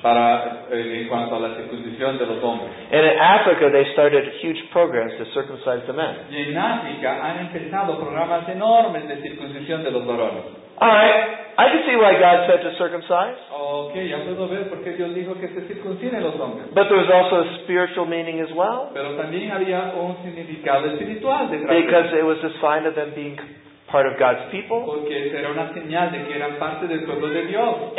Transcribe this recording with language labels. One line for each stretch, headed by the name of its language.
Spanish: Para, en cuanto a la circuncisión de los hombres.
English: And in Africa, they started huge programs to circumcise the men.
Spanish: Y en África han empezado programas enormes de circuncisión de los varones.
English: Alright, I can see why God said to circumcise.
Spanish: Okay, ya puedo ver por qué Dios dijo que se circuncine los hombres.
English: But there's also a spiritual meaning as well.
Spanish: Pero también había un significado espiritual detrás.
English: Because it was a sign of them being part of God's people.
Spanish: Porque era una señal de que eran parte del pueblo de Dios.